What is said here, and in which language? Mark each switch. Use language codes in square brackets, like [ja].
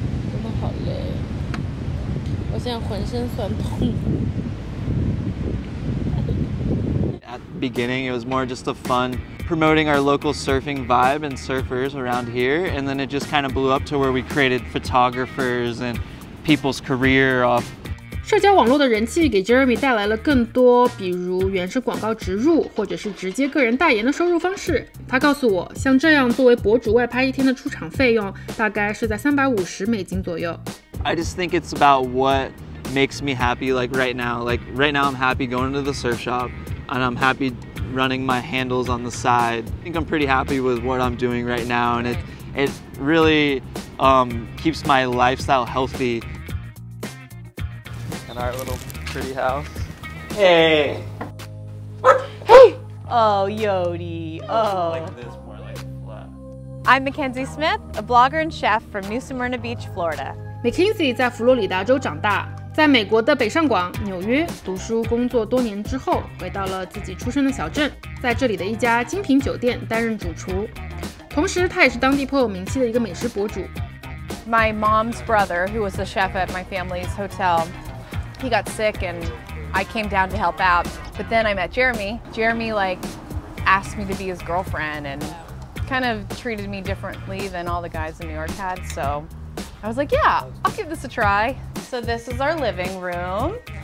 [zh] 真的好累，我现在浑身酸痛。 [en] At beginning. It was more just a fun promoting our local surfing vibe and surfers around here. And then it just kind of blew up to where we created photographers and people's career off. [zh] 社交网络的人气给 Jeremy 带来了更多，比如原始广告植入，或者是直接个人代言的收入方式。他告诉我，像这样作为博主外拍一天的出场费用，大概是在$350左右。 [en] I just think it's about what makes me happy. Like right now, I'm happy going to the surf shop, and I'm happy running my handles on the side. I think I'm pretty happy with what I'm doing right now, and it really keeps my lifestyle healthy. Our little pretty house. Hey! Hey! Oh, Yodi. Oh. Like this, more like flat. I'm Mackenzie Smith, a blogger and chef from New Smyrna Beach, Florida. [zh] Mackenzie 在佛罗里达州长大，在美国的北上广纽约读书工作多年之后，回到了自己出生的小镇，在这里的一家精品酒店担任主厨。同时，他也是当地颇有名气的一个美食博主。 [en] My mom's brother, who was the chef at my family's hotel,He got sick and I came down to help out. But then I met Jeremy. Jeremy like asked me to be his girlfriend and kind of treated me differently than all the guys in New York had. So I was like, yeah, I'll give this a try. So this is our living room.